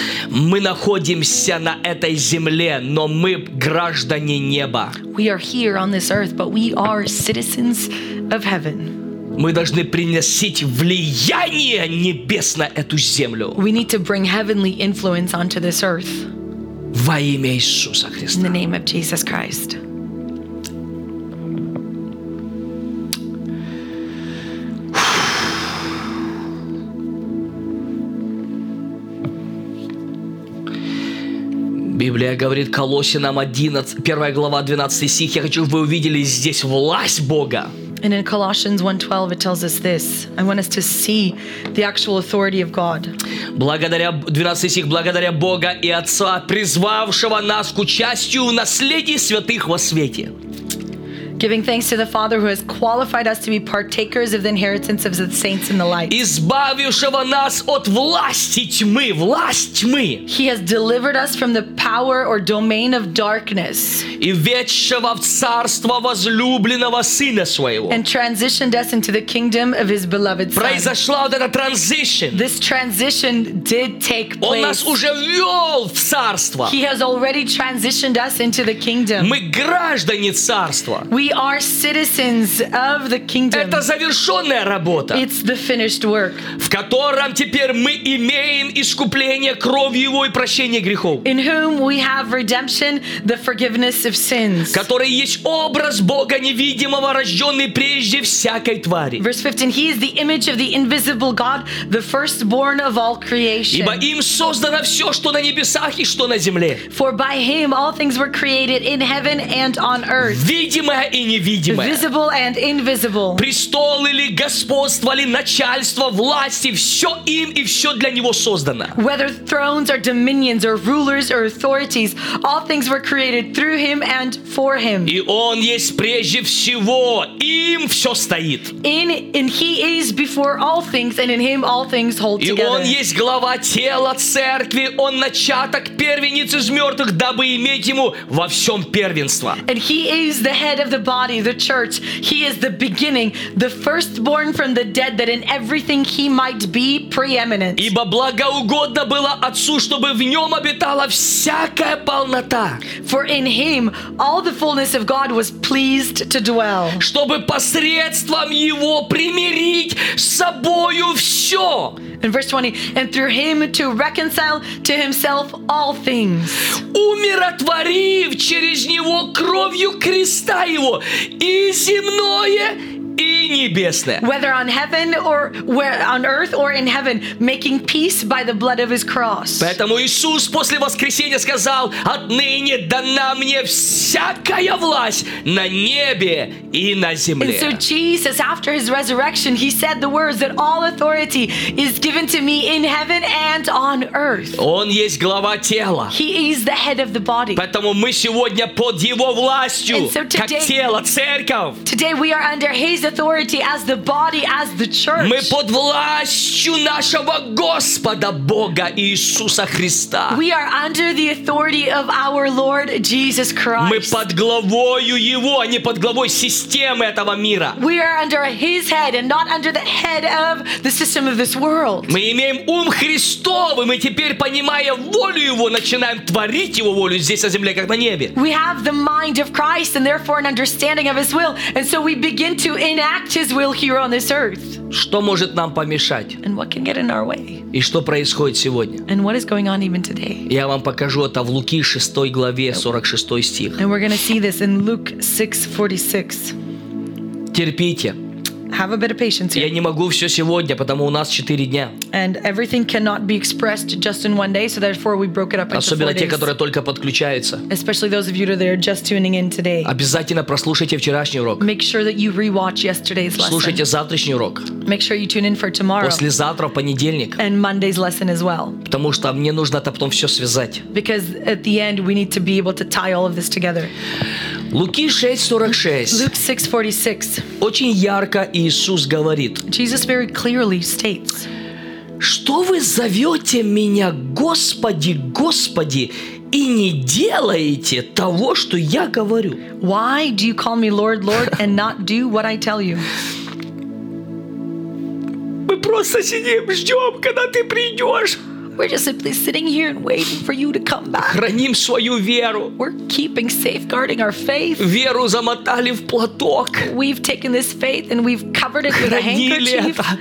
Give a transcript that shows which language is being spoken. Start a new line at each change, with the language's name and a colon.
Russian: Мы находимся на этой земле, но мы граждане неба.
English: We are here on this earth, but we are citizens of heaven.
Russian: Мы должны приносить влияние небес на эту землю.
English: We need to bring heavenly influence onto this earth.
Russian: Во имя Иисуса Христа.
English: In the name of Jesus Christ. Whew.
Russian: Библия говорит Колоссянам 11, 1 глава 12 стих. Я хочу, чтобы вы увидели здесь власть Бога.
English: And in Colossians 1:12 it tells us this. I want us to see the actual authority of God.
Russian: Благодаря 12 стих, благодаря Бога и Отца, призвавшего нас к участию в наследии святых во свете.
English: Giving thanks to the Father who has qualified us to be partakers of the inheritance of the saints in the light.
Russian: Избавившего нас от власти тьмы, власть тьмы.
English: He has delivered us from the power or domain of darkness.
Russian: И введшего в царство возлюбленного сына своего.
English: And transitioned us into the kingdom of his beloved son.
Russian: Произошла вот эта transition.
English: This transition did take place.
Russian: Он нас уже ввел в царство.
English: He has already transitioned us into the kingdom.
Russian: Мы граждане царства.
English: We are citizens of the kingdom.
Russian: Это завершенная работа.
English: It's the finished work.
Russian: В котором теперь мы имеем искупление кровью Его и прощение грехов.
English: In whom we have redemption, the forgiveness of sins.
Russian: Который есть образ Бога невидимого, рожденный прежде всякой твари.
English: Verse 15. He is the image of the invisible God, the firstborn of all creation.
Russian: Ибо им создано все, что на небесах и что на земле.
English: For by him all things were created in heaven and on earth.
Russian: И невидимое.
English: Visible and invisible.
Russian: Престол или господство, или начальство, власти, все им и все для него создано.
English: Whether thrones or dominions or rulers or authorities, all things were created through him and for him.
Russian: И он есть прежде всего, им все стоит.
English: In and he is before all things, and in him all things hold together.
Russian: И он есть глава тела церкви, он начаток, первенец из мертвых, дабы иметь ему во всем первенство.
English: And he is the head of the body, the church. He is the beginning, the firstborn from the dead, that in everything he might be preeminent.
Russian: Ибо благоугодно было Отцу, чтобы в нем обитала всякая полнота.
English: For in him all the fullness of God was pleased to dwell.
Russian: Чтобы посредством его примирить с собою все.
English: In verse 20, and through him to reconcile to himself all things.
Russian: Умиротворив через него кровью креста его и земное, и небесное.
English: Whether on heaven or where on earth or in heaven, making peace by the blood of his cross.
Russian: Поэтому Иисус после воскресения сказал: отныне дана мне всякая власть на небе и на земле.
English: And so Jesus, after his resurrection, he said the words that all authority is given to me in heaven and on earth.
Russian: Он есть глава тела.
English: He is the head of the body.
Russian: Поэтому мы сегодня под его властью,
English: so today,
Russian: как тело, церковь.
English: Today we are under his authority as the body, as the church.
Russian: Мы под властью нашего Господа Бога Иисуса Христа.
English: We are under the authority of our Lord Jesus Christ.
Russian: Мы под главою Его, а не под главой системы этого мира.
English: We are under His head and not under the head of the system of this world.
Russian: Мы имеем ум Христов, и мы теперь, понимая волю Его, начинаем творить Его волю здесь на земле, как на небе.
English: We have the mind of Christ and therefore an understanding of His will, and so we begin to enact his will here on this earth.
Russian: Что может нам помешать?
English: And what can get in our way?
Russian: И что происходит сегодня?
English: And what is going on even today?
Russian: Я вам покажу это в Луки 6 главе 46 стих.
English: And we're going to see this in Luke 6:46.
Russian: Терпите.
English: Have a bit of patience here.
Russian: Я не могу все сегодня, потому у нас 4 дня.
English: And everything cannot be expressed just in one day, so therefore we broke it up into 4 days.
Russian: Особенно те, которые только подключаются.
English: Especially those of you that are just tuning in today.
Russian: Обязательно прослушайте вчерашний урок.
English: Make sure that you rewatch yesterday's lesson.
Russian: Слушайте завтрашний урок.
English: Make sure you tune in for tomorrow.
Russian: Послезавтра, понедельник.
English: And Monday's lesson as well.
Russian: Потому что мне нужно это потом все связать.
English: Because at the end we need to be able to tie all of this together.
Russian: Луки 6:46.
English: Luke 6:46.
Russian: Очень ярко Иисус говорит.
English: Jesus very clearly states.
Russian: Что вы зовете меня Господи, Господи, и не делаете того, что я говорю?
English: Why do you call me Lord, Lord, and not do what I tell you?
Russian: Мы просто сидим, ждем, когда ты придешь.
English: We're just simply sitting here and waiting for you to come back.
Russian: Храним свою веру.
English: We're keeping safeguarding our faith.
Russian: Веру замотали в платок.
English: We've taken this faith and we've covered it with a handkerchief.